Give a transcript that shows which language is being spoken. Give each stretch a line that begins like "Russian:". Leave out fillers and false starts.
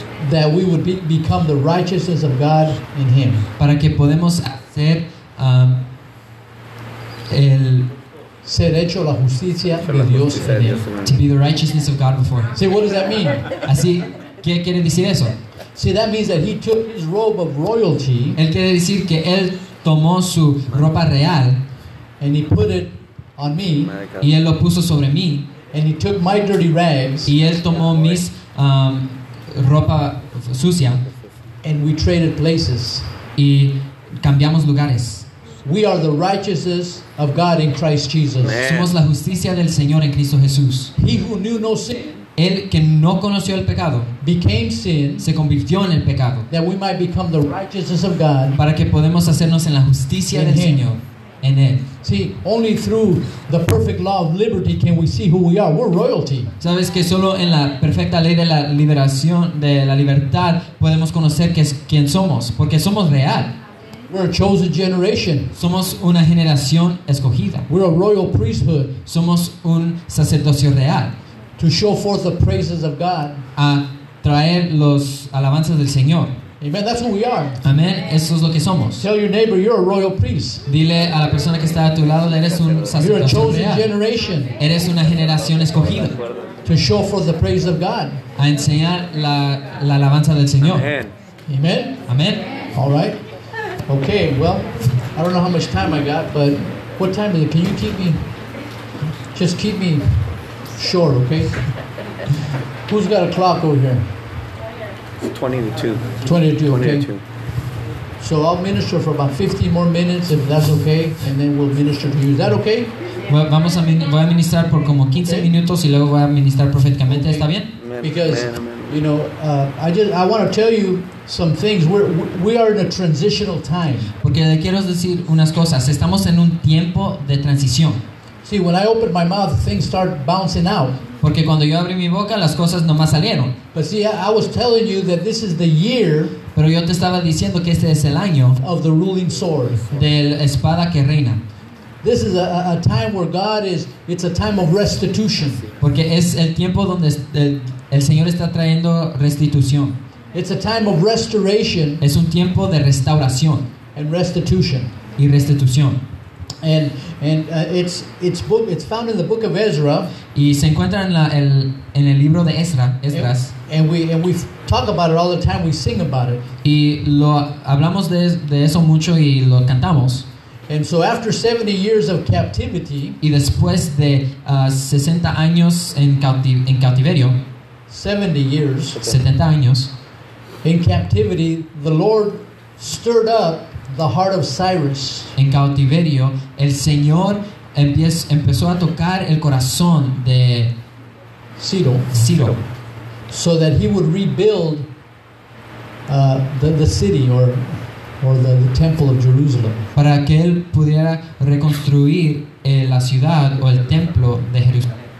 English: That we would become the righteousness of God in him.
Spanish: Para que podemos ser el ser hecho la justicia de Dios en él.
English: To be the righteousness of God before him. See, what does that mean?
Spanish: Así, ¿qué quiere decir eso?
English: See, that means that he took his robe of royalty.
Spanish: Él quiere decir que él tomó su ropa real.
English: And he put it on me.
Spanish: Y él lo puso sobre mí.
English: And he took my dirty rags.
Spanish: Y él tomó mis ropa sucia.
English: And we traded places.
Spanish: Y cambiamos lugares.
English: We are the righteousness of God in Christ Jesus. Man.
Spanish: Somos la justicia del Señor en Cristo Jesús.
English: He who knew no sin,
Spanish: el que no conoció el pecado,
English: became sin,
Spanish: se convirtió en el pecado,
English: that we might become the righteousness of God,
Spanish: para que podemos hacernos en la justicia del Señor en él.
English: See, only through the perfect law of liberty can we see who we are. We're royalty.
Spanish: Sabes que solo en la perfecta ley de la liberación de la libertad podemos conocer quién somos, porque somos real.
English: We're a chosen generation.
Spanish: Somos una generación escogida.
English: We're a royal priesthood.
Spanish: Somos un sacerdocio real.
English: To show forth the praises of God.
Spanish: A traer los alabanzas del Señor.
English: Amen. That's who we are.
Spanish: Amen. Eso es lo que somos.
English: Tell your neighbor you're a royal priest.
Spanish: Dile a la persona que está a tu lado, eres un sacerdocio.
English: You're a chosen generation.
Spanish: Eres una generación escogida.
English: To show forth the praise of God.
Spanish: A enseñar la alabanza del Señor.
English: Amen.
Spanish: Amen.
English: All right. Okay, well, I don't know how much time I got, but what time is it? Can you keep me? Just keep me short, okay? Who's got a clock over here? 20 to 2. 20 to 2, okay. So I'll minister for about 15 more minutes, if that's okay, and then we'll minister to you. Is that okay?
Spanish: Well, vamos a voy a ministrar por como 15 okay. minutos y luego voy a ministrar proféticamente. Okay. ¿Está bien?
English: Because, you know, I want to tell you some things. We are in a transitional time.
Spanish: Porque le quiero decir unas cosas. Estamos en un tiempo de transición.
English: See, when I open my mouth, things start bouncing out.
Spanish: Porque cuando yo abrí mi boca, las cosas nomás salieron.
English: But see, I was telling you that this is the year.
Spanish: Pero yo te estaba diciendo que este es el año
English: of the ruling sword.
Spanish: Del espada que reina.
English: This is a time where God is. It's a time of restitution.
Spanish: Porque es el tiempo donde el Señor está trayendo restitución.
English: It's a time of restoration.
Spanish: Es un tiempo de restauración.
English: And restitution.
Spanish: Y restitución.
English: And it's found in the book of Ezra.
Spanish: Y se encuentra en el libro de Ezra, Esdras.
English: And we talk about it all the time. We sing about it.
Spanish: Y lo hablamos de eso mucho y lo cantamos.
English: And so after 70 years of captivity,
Spanish: y después de 60 años en cautiverio,
English: 70 years,
Spanish: 70 años,
English: in captivity, the Lord stirred up the heart of Cyrus.
Spanish: En cautiverio, el Señor empezó a tocar el corazón de
English: Ciro, so that he would rebuild the city or the temple of Jerusalem.
Spanish: Para que él pudiera reconstruir la ciudad o el templo de Jerusalén.